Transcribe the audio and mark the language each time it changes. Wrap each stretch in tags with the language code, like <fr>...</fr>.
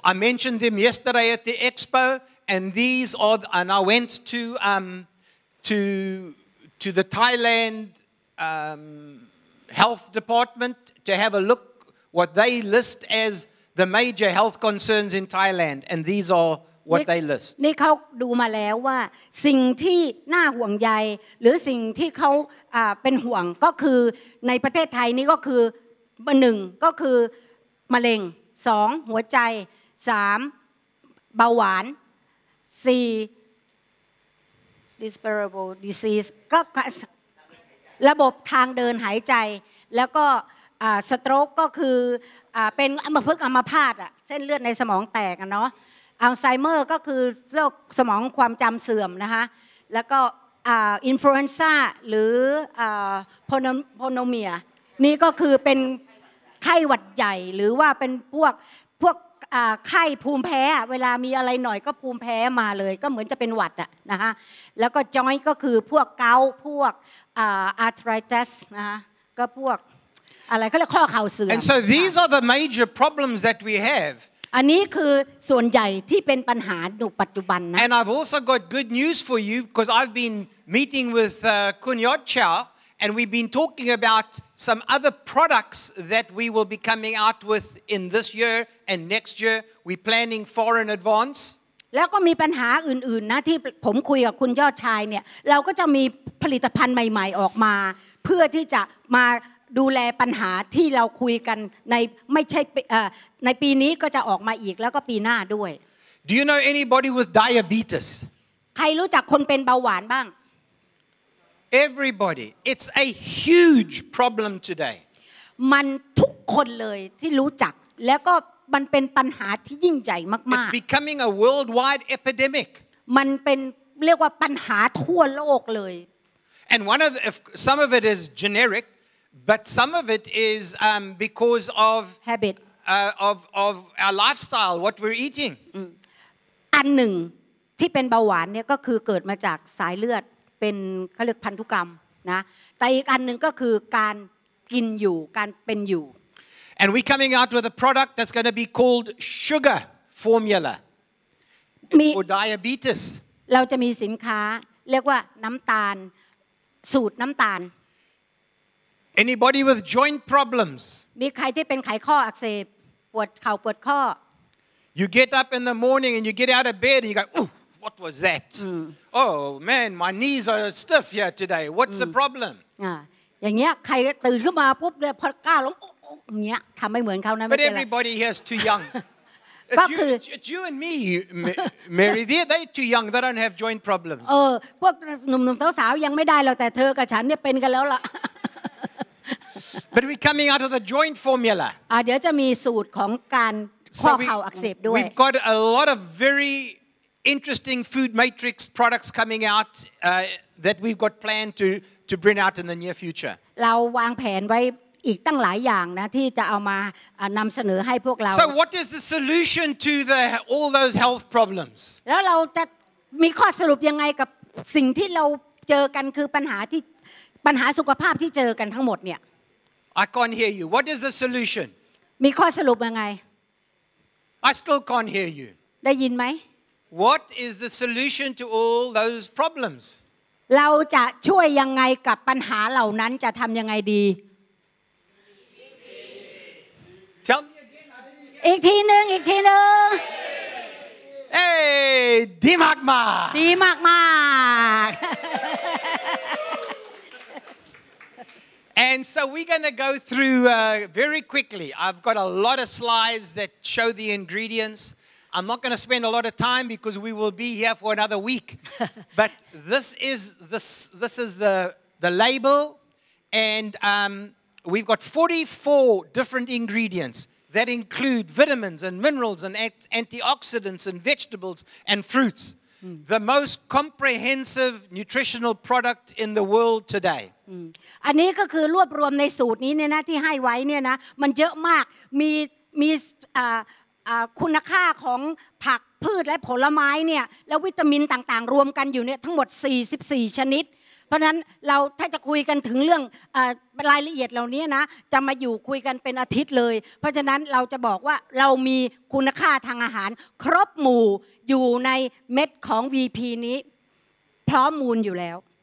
<en>I mentioned them yesterday at the expo, and these are the, and I went to the Thailand Health Department to have a look what they list as. The major health concerns in Thailand, and these are what they list.</en> <th>นี่เขาดูมาแล้วว่าสิ่งที่น่าห่วงใยหรือสิ่งที่เขาเป็นห่วงก็คือในประเทศไทยนี่ก็คือ1ก็คือมะเร็ง2หัวใจ3เบาหวาน 4</th> <en>respiratory disease</en> <th>ก็ระบบทางเดินหายใจแล้วก็</th> <en>stroke</en> <th>ก็คือเป็นอัมพฤกษ์อัมพาตอ่ะเส้นเลือดในสมองแตกอ่ะเนาะอัลไซเมอร์ก็คือโรคสมองความจำเสื่อมนะคะแล้วก็อินฟลูเอนซ่าหรือ โพโนเมียนี่ก็คือเป็นไข้หวัดใหญ่หรือว่าเป็นพวกไข้ภูมิแพ้เวลามีอะไรหน่อยก็ภูมิแพ้มาเลยก็เหมือนจะเป็นหวัดอ่ะนะคะแล้วก็จอยก็คือพวกเกาต์พวกอาร์ทริตัสนะคะก็พวกอะไรก็เรียกข้อเข่าเสื่อม</th> <en>And so these are the major problems that we have</en> <th>อันนี้คือส่วนใหญ่ที่เป็นปัญหาในปัจจุบันนะ</th> <en>And I've also got good news for you because I've been meeting with Kunyot Chow and we've been talking about some other products that we will be coming out with in this year and next year we're planning far in advance</en> <th>แล้วก็มีปัญหาอื่นๆนะที่ผมคุยกับคุณยอดชายเนี่ยเราก็จะมีผลิตภัณฑ์ใหม่ๆออกมาเพื่อที่จะมาดูแลปัญหาที่เราคุยกันในไม่ใช่ในปีนี้ก็จะออกมาอีกแล้วก็ปีหน้าด้วย</th> <en>Do you know anybody with diabetes</en> <th>ใครรู้จักคนเป็นเบาหวานบ้าง</th> <en>Everybody it's a huge problem today</en> <th>มันทุกคนเลยที่รู้จักแล้วก็มันเป็นปัญหาที่ยิ่งใหญ่มากๆ</th> <en>It's becoming a worldwide epidemic</en> <th>มันเป็นเรียกว่าปัญหาทั่วโลกเลย</th> <en>And one of the, if some of it is generic but some of it is because of habit of our lifestyle what we're eating</en> <th>อันหนึ่งที่เป็นเบาหวานเนี่ยก็คือเกิดมาจากสายเลือดเป็นเค้าเรียกพันธุกรรมนะแต่อีกอันนึงก็คือการกินอยู่การเป็นอยู่</th> <en>And we're coming out with a product that's going to be called sugar formula for diabetes.</en> <th>เราจะมีสินค้าเรียกว่าน้ำตาลสูตรน้ำตาล</th> <en>Anybody with joint problems?</en> <th>มีใครที่เป็นไขข้ออักเสบปวดเข่าปวดข้อ</th> <en>You get up in the morning and you get out of bed and you go, "Ooh, what was that? Oh man, my knees are stiff here today. What's the problem?"</en> <th>อย่างเงี้ยใครตื่นขึ้นมาปุ๊บเนี่ยพอก้าวลงเนี่ยทําไม่เหมือนเค้านะไม่เป็นไร</th> <en>But everybody here is too young.</en> <th>ก็คือ</th> <en>It's you and me Mary they too young they don't have joint problems.</en> <th>เออพวกหนุ่มๆสาวๆยังไม่ได้หรอกแต่เธอกับฉันเนี่ยเป็นกันแล้วล่ะ</th> <en>But we're coming out of the joint formula.</en> <th>เดี๋ยวจะมีสูตรของการข้อเข่าอักเสบด้วย</th> <en>We've got a lot of very interesting food matrix products coming out that we've got planned to bring out in the near future.</en> <th>เราวางแผนไว้อีกตั้งหลายอย่างนะที่จะเอามานําเสนอให้พวกเรา</th> <en>So what is the solution to the all those health problems</en> <th>แล้วเราจะมีข้อสรุปยังไงกับสิ่งที่เราเจอกันคือปัญหาสุขภาพที่เจอกันทั้งหมดเนี่ย</th> <en>I can't hear you what is the solution</en> <th>มีข้อสรุปยังไง</th> <en>I still can't hear you</en> <th>ได้ยินไหม</th> <en>What is the solution to all those problems</en> <th>เราจะช่วยยังไงกับปัญหาเหล่านั้นจะทํายังไงดี</th> <en>Tell me again.</en> <th>อีกทีนึงอีกทีนึง เอ้ยดีมากมาก ดีมากมาก</th> <en>And so we're going to go through very quickly. I've got a lot of slides that show the ingredients. I'm not going to spend a lot of time because we will be here for another week. But this is the label and we've got 44 different ingredients that include vitamins and minerals and antioxidants and vegetables and fruits. Mm. The most comprehensive nutritional product in the world today.</en> <th>อันนี้ก็คือรวบรวมในสูตรนี้เนี่ยนะที่ให้ไว้เนี่ยนะมันเยอะมากมีคุณค่าของผักพืชและผลไม้เนี่ยแล้ววิตามินต่างๆรวมกันอยู่เนี่ยทั้งหมด44ชนิดเพราะนั้นเราถ้าจะคุยกันถึงเรื่องรายละเอียดเหล่านี้นะจะมาอยู่คุยกันเป็นอาทิตย์เลยเพราะฉะนั้นเราจะบอกว่าเรามีคุณค่าทางอาหารครบหมู่อยู่ในเม็ดของ VP นี้พร้อมมูลอยู่แล้ว</th>